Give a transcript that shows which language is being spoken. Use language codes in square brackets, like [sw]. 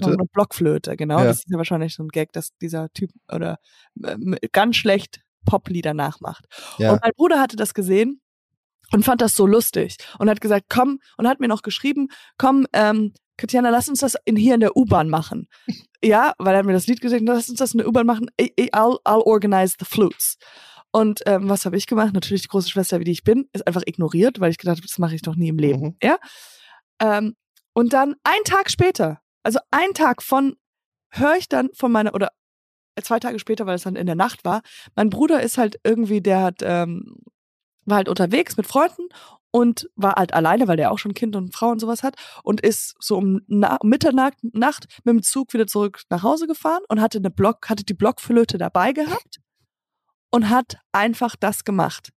[de] Sondern eine Blockflöte, genau. Ja. Das ist ja wahrscheinlich so ein Gag, dass dieser Typ oder ganz schlecht Poplieder nachmacht. Ja. Und mein Bruder hatte das gesehen und fand das so lustig und hat gesagt, komm, und hat mir noch geschrieben, komm, Katjana, lass uns das hier in der U-Bahn machen. Ja, weil er hat mir das Lied gesehen, lass uns das in der U-Bahn machen. [en] I'll organize the flutes. [de] Und was habe ich gemacht? Natürlich die große Schwester, wie die ich bin, ist einfach ignoriert, weil ich gedacht habe, das mache ich doch nie im Leben. Mhm. Ja. Und dann einen Tag später, also einen Tag von, höre ich dann von meiner, oder zwei Tage später, weil es dann in der Nacht war, mein Bruder ist halt irgendwie, der hat war halt unterwegs mit Freunden und war halt alleine, weil der auch schon Kind und Frau und sowas hat und ist so um Mitternacht mit dem Zug wieder zurück nach Hause gefahren und hatte die Blockflöte dabei gehabt und hat einfach das gemacht.